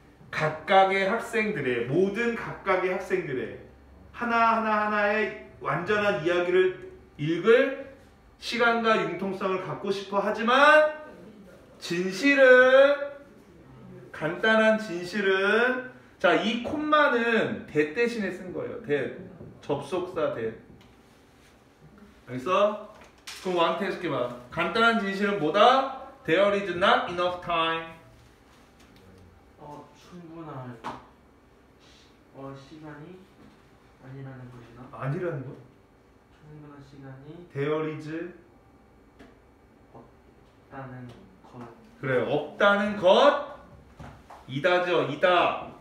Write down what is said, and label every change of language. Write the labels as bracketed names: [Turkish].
[Korean] 각각의 학생들의 모든 각각의 학생들의 하나하나하나의 완전한 이야기를 읽을 시간과 융통성을 갖고 싶어 하지만 진실은 간단한 진실은 자 이 콤마는 that 대신에 쓴 거예요. that 접속사 that 알겠어? 그럼 왕태 해석해봐. 간단한 진실은 뭐다? [English] There is not enough time. [Korean] 충분한 시간이 아니라는 것이다. 아니라는 거? 충분한 시간이 [English] There is [Korean] 없다는 것. 그래 없다는 것 이다죠. 이다.